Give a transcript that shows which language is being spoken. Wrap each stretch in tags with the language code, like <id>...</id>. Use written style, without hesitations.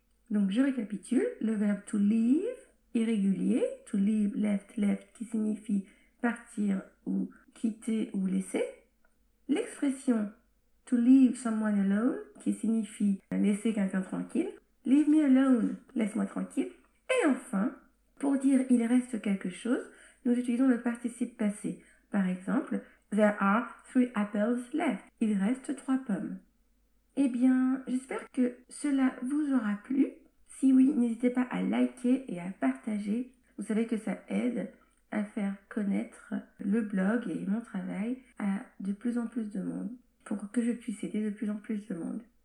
<fr>Donc je récapitule, le verbe to leave, irrégulier, to leave, left, left, qui signifie partir ou quitter ou laisser. L'expression</fr> <en>to leave someone alone,</en> <fr>qui signifie laisser quelqu'un tranquille.</fr> <en>Leave me alone,</en> <fr>laisse-moi tranquille. Et enfin, pour dire il reste quelque chose, nous utilisons le participe passé. Par exemple,</fr> <en>there are three apples left.</en> <fr>Il reste trois pommes. Eh bien, j'espère que cela vous aura plu. Si oui, n'hésitez pas à liker et à partager. Vous savez que ça aide à faire connaître le blog et mon travail à de plus en plus de monde, pour que je puisse aider de plus en plus de monde.</fr>